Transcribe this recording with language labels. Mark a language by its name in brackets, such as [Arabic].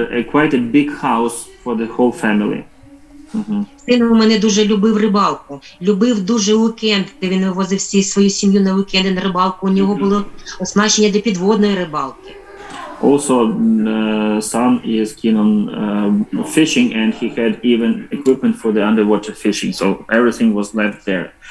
[English] Quite a big house for the whole family. [Ukrainian] Син у мене дуже любив рибалку, любив дуже уікенди, він возив всі свою сім'ю на уікенди на рибалку, у нього було оснащення для підводної рибалки. [English] Also, son is keen on fishing, and he had even equipment for the underwater fishing, so everything was left there.